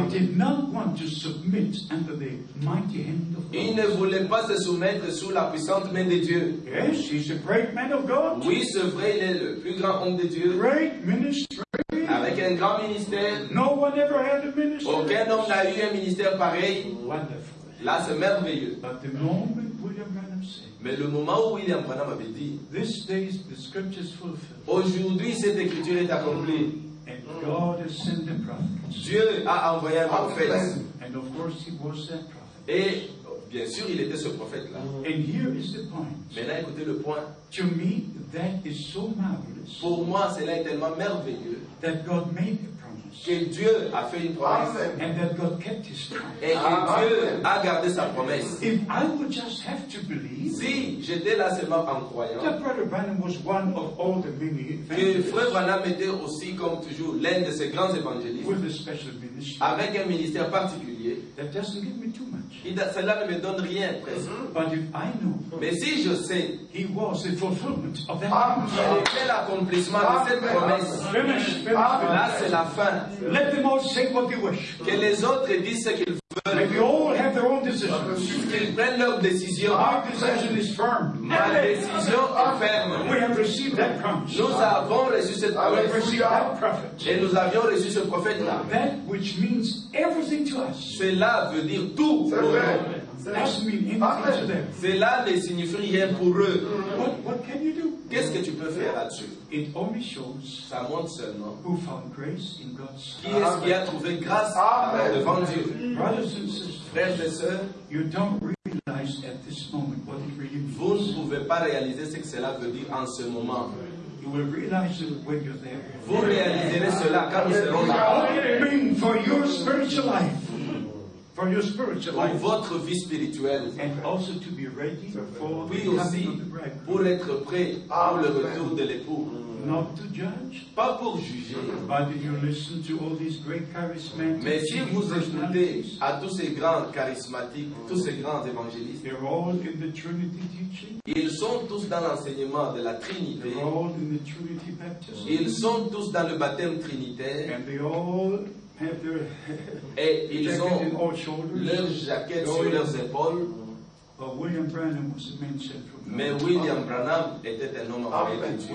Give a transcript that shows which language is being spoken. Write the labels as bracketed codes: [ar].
[en] They did not want to submit under the mighty hand of God. [fr] Ils ne voulaient pas se soumettre sous la puissante main de Dieu. [en] Yes, he's a great man of God. [fr] Oui, c'est vrai, il est le plus grand homme de Dieu. [en] Great ministry. [fr] Avec un grand ministère. [en] No one ever had a ministry. [fr] Aucun homme n'a eu un ministère pareil. [en] Wonderful. [fr] Là, c'est merveilleux. [en] But the moment William Branham said, [fr] mais le moment où William Branham avait dit, [en] this day the scripture is fulfilled. [fr] Aujourd'hui, cette écriture est accomplie. [en] And God has sent a prophet. [fr] Dieu a envoyé un prophète. [en] And of course he was that prophet. [fr] Et bien sûr, il était ce prophète-là. [en] And here is the point. [fr] Mais là, écoutez le point. [en] To me, that is so marvelous. [fr] Pour moi, cela est tellement merveilleux. [en] That God made a promise. [fr] Que Dieu a fait une promesse. [en] Amen. And that God kept his promise. [fr] Et que Dieu a gardé sa promesse. [en] If I would just have to believe, [fr] si j'étais là seulement en croyant, [en] that Brother Branham was one of all the many [fr] que Frère Branham était aussi, comme toujours, l'un de ces grands évangélistes, [en] with a special ministry, [fr] avec un ministère particulier, [en] that doesn't give me too much. [fr] Cela ne me donne rien presque. [en] Mm-hmm. But if I know, [fr] mais si je sais, [en] he was the fulfillment of that promise. [fr] C'est l'accomplissement de cette promesse. [en] Finish. [fr] Là, c'est la fin. [en] Let them all say what they wish. [fr] Que les autres disent ce qu'ils veulent. [en] Maybe all have their own decisions. [fr] Qu'ils prennent leur décision. [en] Our decision is firm. [fr] Ma décision est ferme. [en] We have received that promise. [fr] Nous avons reçu cette promesse. [en] We received that prophet. [fr] Et nous avions reçu ce prophète là. [en] That which means everything to us. [fr] Cela veut dire tout pour nous. [en] That's mean anything to them. [fr] Cela ne signifie rien pour eux. [en] What can you do? [fr] Qu'est-ce que tu peux faire là-dessus? [en] It only shows [fr] ça montre seulement [en] who found grace in God's [fr] qui est-ce qui a trouvé grâce [en] Amen. [fr] Devant Dieu. [en] Brothers and sisters, [fr] frères et sœurs, [en] you don't realize at this moment what it really means. [fr] Vous ne pouvez pas réaliser ce que cela veut dire en ce moment. [en] You will realize it when you're there. [fr] Vous réaliserez cela quand vous serez là. [en] What it means for your spiritual life. For your spiritual life. [fr] Pour votre vie spirituelle. [en] And also to be ready for [fr] oui [en] the [fr] aussi [en] coming of the bride. [fr] Pour être prêt pour le retour de l'époux. [en] Not to judge, [fr] pas pour juger. [en] But did you listen to all these great charismatic [fr] mais si vous écoutez à tous ces grands charismatiques, tous ces grands évangélistes, [en] they're all in the Trinity teaching. [fr] Ils sont tous dans l'enseignement de la Trinité. [en] They're all in the Trinity baptism. [fr] Ils sont tous dans le baptême trinitaire. [en] And they all [fr] et ils ont leurs jaquettes sur leurs épaules. [en] But William Branham was a man sent from God. [fr] Mais William Branham était un homme envoyé de Dieu.